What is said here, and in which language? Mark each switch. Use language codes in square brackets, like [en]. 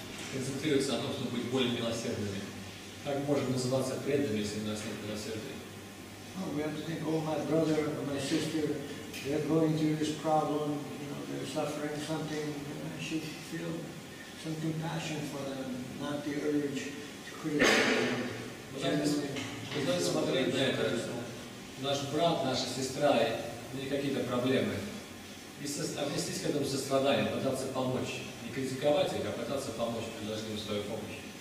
[ru] Концентрируется на том, чтобы быть более милосердными. Как можем называться преданными, если у нас нет милосердия? [en] We have to think, oh, my brother or my sister, they're going through this problem, you know, they're suffering something, I should feel some compassion for them, not the urge to criticize them. [ru] Смотреть на это, наш брат, наша сестра, у них какие-то проблемы. И отнестись к этому состраданию, пытаться помочь. Не критиковать их, а пытаться помочь, предложить им свою помощь.